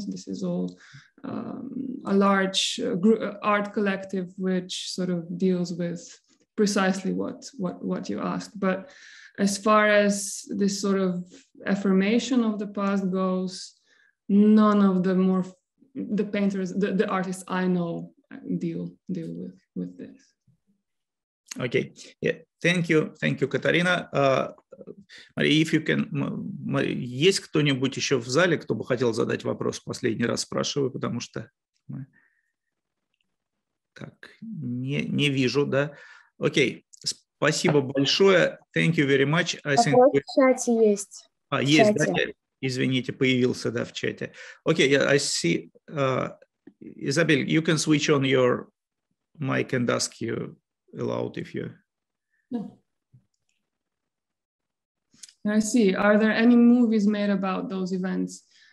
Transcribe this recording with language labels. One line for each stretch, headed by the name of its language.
English: So this is all a large art collective which sort of deals with precisely what you asked. But as far as this sort of affirmation of the past goes, none of the more the painters, the artists I know deal with this. Okay. Yeah. Thank you, Катарина.
Russian: Мария,
English: if you can,
Russian: есть кто-нибудь еще в зале, кто бы хотел задать вопрос? Последний раз спрашиваю, потому что мы... так не вижу, да? Окей. Спасибо большое.
English: Thank you very much.
Russian: В чате есть. А есть, да? Извините, появился, да, в чате.
English: Окей, okay, yeah, I see. Isabelle, you can switch on your mic and ask you aloud if you. No. I see. Are there any movies made about those events?